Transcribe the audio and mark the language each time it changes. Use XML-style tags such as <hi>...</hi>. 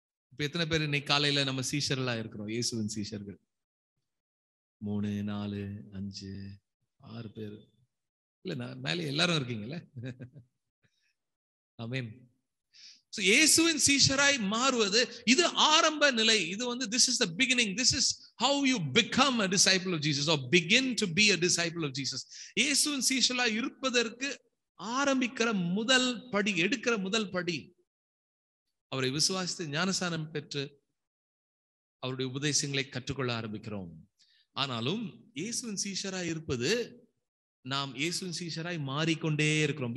<ta>இப்ப எத்தனை பேர் இன்னைக்கு காலையில நம்ம சீஷர்களா இருக்கிறோம்? இயேசுவின் சீஷர்கள் 3, 4, 5, 6 பேர் இல்ல, நான் மேலே எல்லாரும் இருக்கீங்கல்ல. ஆமென். சோ இயேசுவின் சீஷராய் மாறுவது இது ஆரம்ப நிலை. இது வந்து</ta> <en>this is the beginning. This is how you become a disciple of Jesus or begin to be a disciple of Jesus.</en> <ta>இயேசுவின் சீஷராய் இருப்பதற்கு ஆரம்பிக்கிற முதல் படி, எடுக்கிற முதல் படி, அவரை விசுவாசித்து ஞானஸ்தானம் பெற்று அவருடைய உபதேசங்களை கற்றுக்கொள்ள ஆரம்பிக்கிறோம். ஆனாலும் இயேசுவின் சீஷராய் இருப்பது, நாம் இயேசுவின் சீஷராய் மாறிக்கொண்டே இருக்கிறோம்.</ta>